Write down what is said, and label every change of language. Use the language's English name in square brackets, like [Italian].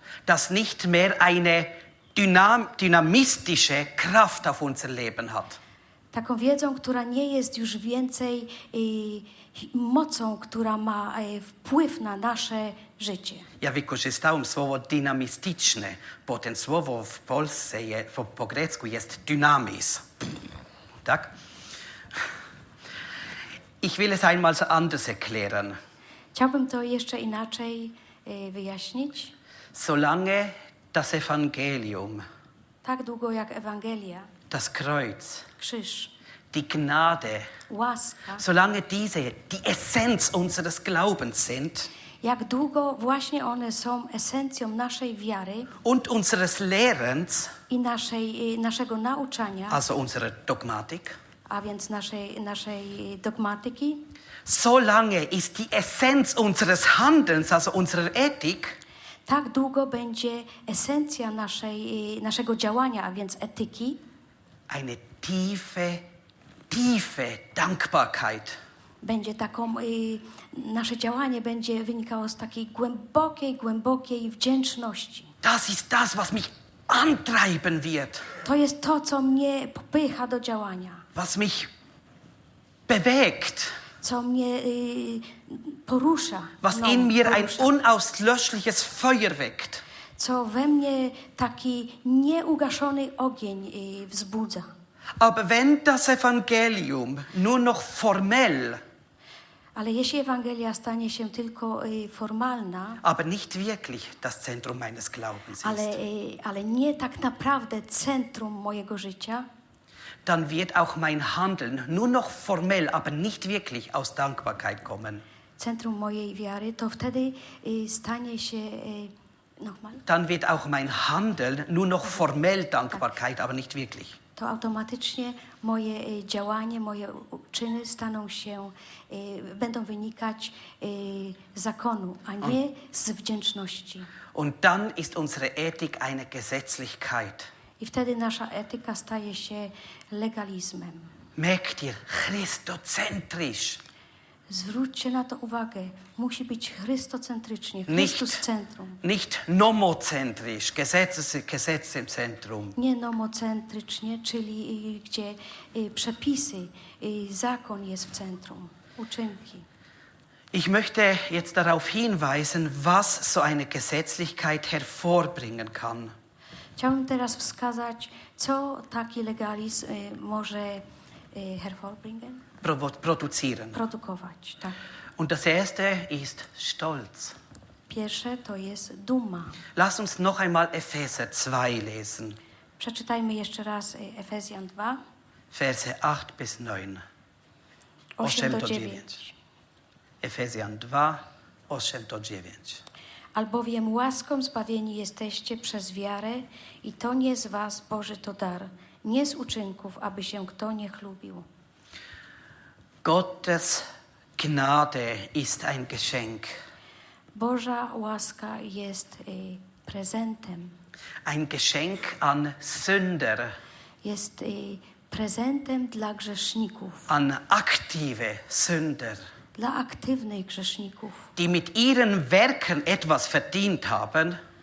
[German] Das nicht mehr eine dynamistische Kraft auf unser Leben hat. [Polish] taką wiedzą, która nie jest już więcej mocą, która ma wpływ na nasze życie. Ja wykorzystałem słowo dynamistyczne, bo ten słowo w Polsce jest, po grecku jest dynamis. Tak? [German] Ich will es einmal anders erklären. [Polish] Chciałbym to jeszcze inaczej wyjaśnić. [German] Solange das Evangelium. [Polish] Tak długo jak Ewangelia. [German] Das Kreuz. [Polish] Krzyż. [German] Die Gnade. [Polish] Łaska. [German] Solange diese die Essenz unseres Glaubens sind. [Polish] Jak długo właśnie one są esencją naszej wiary. [German] Und unseres Lehrens. [Polish] I naszej, naszego nauczania. [German] Also unsere Dogmatik. [Polish] A więc naszej dogmatyki. [German] Solange ist die Essenz unseres Handelns, also unserer Ethik. [Polish] Tak długo będzie esencja naszego działania, a więc etyki. [German] Eine tiefe Dankbarkeit. [Polish] Będzie taką, nasze działanie będzie wynikało z takiej głębokiej wdzięczności. [German] Das ist das, was mich antreiben wird. [Polish] To jest to, co mnie popycha do działania. [German] Was mich bewegt. [Polish] Co mnie porusza. [German] Was in mir [Polish] porusza. [German] Ein unauslöschliches Feuer weckt. [Polish] Co we mnie taki nieugaszony ogień wzbudza. [German] Aber wenn das Evangelium nur noch formell. [Polish] Ale jeśli Ewangelia stanie się tylko formalna, [German] aber nicht wirklich das Zentrum meines Glaubens ist. [Polish] Ale nie tak naprawdę centrum mojego życia. [German] Dann wird auch mein Handeln nur noch formell, aber nicht wirklich aus Dankbarkeit kommen. [Polish] Zentrum mojej wiary, to wtedy stanie się [German] nochmal. Dann wird auch mein Handeln nur noch formell Dankbarkeit, aber nicht wirklich. [Polish] To automatycznie moje działanie, moje czyny staną się, będą wynikać z zakonu, a nie z wdzięczności. [German] Und dann ist unsere Ethik eine Gesetzlichkeit. [Polish] I wtedy nasza etyka staje się legalizmem. [German] Merkt ihr, chrystocentrisch. [Polish] Zwróćcie na to uwagę. Musi być chrystocentrycznie, Chrystus [German] nicht, [Polish] centrum. [German] Nicht nomocentrisch, Gesetzem centrum. [Polish] Nie nomocentrycznie, czyli gdzie przepisy, zakon jest w centrum, uczynki. [German] Ich möchte jetzt darauf hinweisen, was so eine Gesetzlichkeit hervorbringen kann. [Polish] Chciałbym teraz wskazać, co taki legalizm może [German] hervorbringen? Producieren. [Polish] Produkować, tak. [German] Und das erste ist Stolz. [Polish] Pierwsze to jest duma. [German] Lass uns noch einmal Epheser 2 lesen. [Polish] Przeczytajmy jeszcze raz Efezjan 2. [German] Verse 8 bis 9. 8-9. [Polish] Efezjan 2, 8-9. Albowiem łaską zbawieni jesteście przez wiarę i to nie z was, Boży to dar, nie z uczynków, aby się kto nie chlubił. [German] Gottes Gnade ist ein Geschenk. [Polish] Boża łaska jest prezentem. [German] Ein Geschenk an Sünder. [Polish] Jest prezentem dla grzeszników. [German] An aktive Sünder. [Polish] Dla aktywnych grzeszników, [German] die mit ihren Werken etwas verdient haben,